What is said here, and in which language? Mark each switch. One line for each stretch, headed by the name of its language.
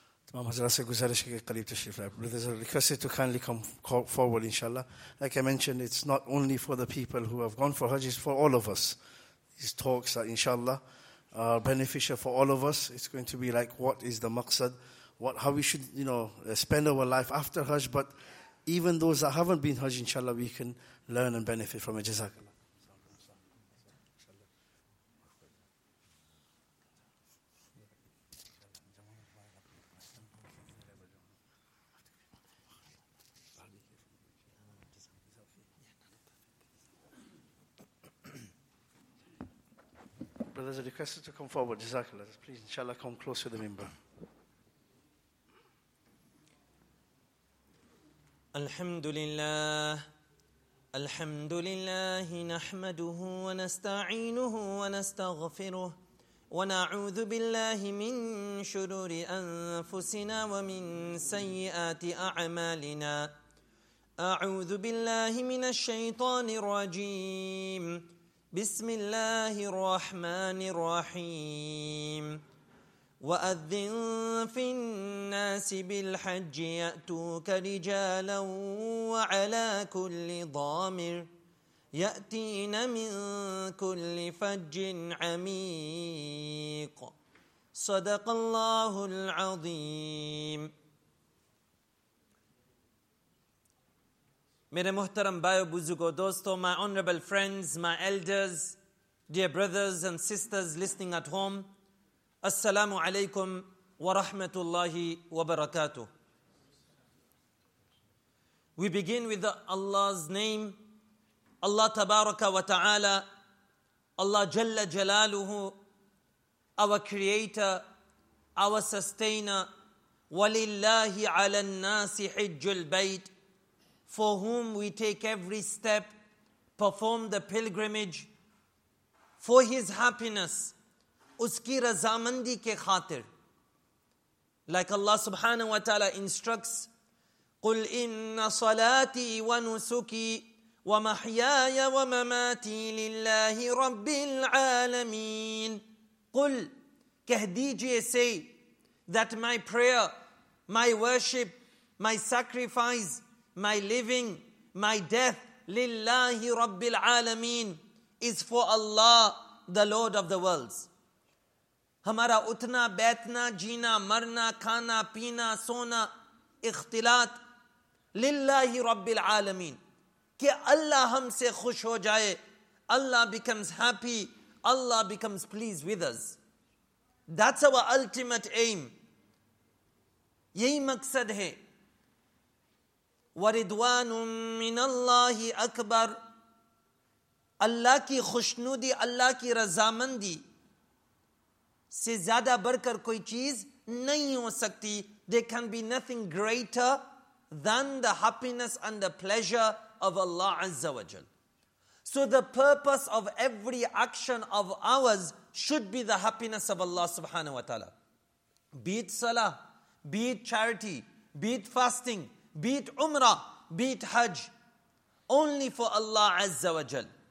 Urdu: تمام حضرات سے گزارش ہے کہ قریب تشریف لائے.
English: Brothers are requested to kindly come forward, inshallah. Like I mentioned, it's not only for the people who have gone for Hajj, it's for all of us. These talks are, inshallah, are beneficial for all of us. It's going to be like, what is the maqsad? What, how we should, you know, spend our life after Hajj, but even those that haven't been Hajj, inshallah, we can learn and benefit from it. Jazakallah. Brothers are requested to come forward. Jazakallah. Please, inshallah, come close to the member.
Arabic: الحمد لله الحمد لله نحمده ونستعينه ونستغفره ونعوذ بالله من شرور أنفسنا ومن سيئات أعمالنا أعوذ بالله من الشيطان الرجيم بسم الله الرحمن الرحيم وأذن في الناس بالحج يأتوك رجالا وعلى كل ضامر يأتين من كل فج عميق صدق الله العظيم.
Urdu: میرے محترم بھائیو بزرگو دوستو,
English: my honorable friends, my elders, dear brothers and sisters listening at home, Assalamu alaikum wa rahmatullahi wa barakatuh. We begin with Allah's name, Allah tabaraka wa ta'ala, Allah jalla jalaluhu, our creator, our sustainer,
Arabic: walillahi ala nasi hijjul bayt,
English: for whom we take every step, perform the pilgrimage, for his happiness,
Urdu: اس کی رضامندی کے خاطر.
English: Like Allah subhanahu wa ta'ala instructs,
Arabic: قُلْ إِنَّ صَلَاتِي وَنُسُكِي وَمَحْيَايَ وَمَمَاتِي لِلَّهِ رَبِّ الْعَالَمِينَ. قُلْ,
Urdu: کہہ دیجئے,
English: say that my prayer, my worship, my sacrifice, my living, my death,
Arabic: لِلَّهِ رَبِّ الْعَالَمِينَ,
English: is for Allah, the Lord of the worlds.
Urdu: ہمارا اٹھنا بیٹھنا جینا مرنا کھانا پینا سونا اختلاط
Arabic: للہ رب العالمین,
Urdu: کہ اللہ ہم سے خوش ہو جائے.
English: Allah becomes happy, Allah becomes pleased with us. That's our ultimate aim,
Urdu: یہی مقصد ہے.
Arabic: وردوان من اللہ اکبر,
Urdu: اللہ کی خوشنودی, اللہ کی رضامندی سے زیادہ بڑھ کر کوئی چیز نہیں ہو سکتی.
English: There can be nothing greater than the happiness and the pleasure of Allah Azza wa Jal. So the purpose of every action of ours should be the happiness of Allah subhanahu wa ta'ala. Be it salah, be it charity, be it fasting, be it umrah, be it hajj, only for Allah Azza wa Jal.